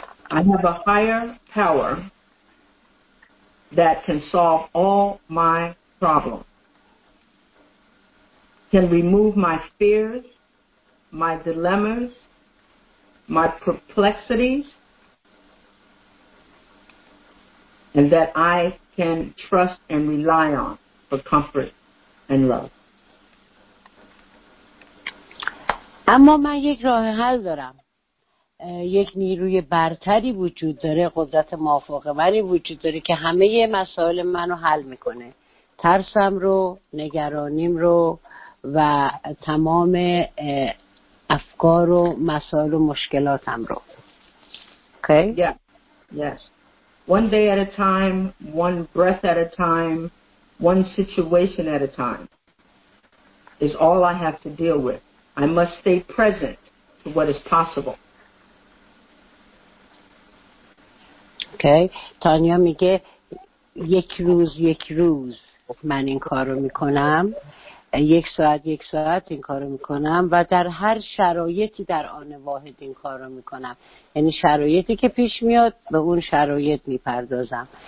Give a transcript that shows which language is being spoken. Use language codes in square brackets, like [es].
[en] I have a higher power that can solve all my problems, can remove my fears, my dilemmas, my perplexities, and that I can trust and rely on for comfort and love. [fa] اما من یک راه حل دارم، یک نیروی برتری وجود داره، قدرت موافق منی وجود داره که همه مسائل منو حل میکنه، ترسم رو، نگرانیم رو و تمام افکار و مسائل و مشکلاتم رو. [en] Okay? Yes. One day at a time, one breath at a time, one situation at a time is all I have to deal with. I must stay present to what is possible. Okay. [fa] تانیا میگه یک روز یک روز من این کارو میکنم، یک ساعت یک ساعت این کارو میکنم و در هر شرایطی در آن واحد این کارو میکنم. یعنی شرایطی که پیش میاد به اون شرایط میپردازم.